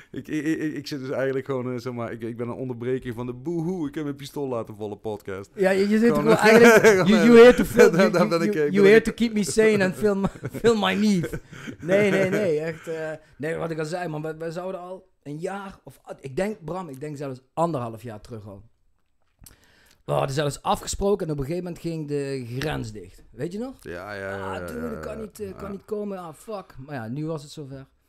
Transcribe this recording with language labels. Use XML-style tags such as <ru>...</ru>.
<nl>Ik zit dus eigenlijk gewoon, zeg maar, ik ben een onderbreking van de boehoe. Ik heb mijn pistool laten vallen, podcast. Ja, je zit gewoon eigenlijk...</nl> <en>You're here to keep me sane and fill my need.</en> <nl>Nee, echt. Nee, wat ik al zei, man. We zouden al een jaar of... Ik denk, Bram, ik denk zelfs 1,5 jaar terug al. We hadden zelfs afgesproken en op een gegeven moment ging de grens dicht. Weet je nog? Ja, dat kan niet komen. Ah, fuck. Maar ja, nu was het zover.</nl>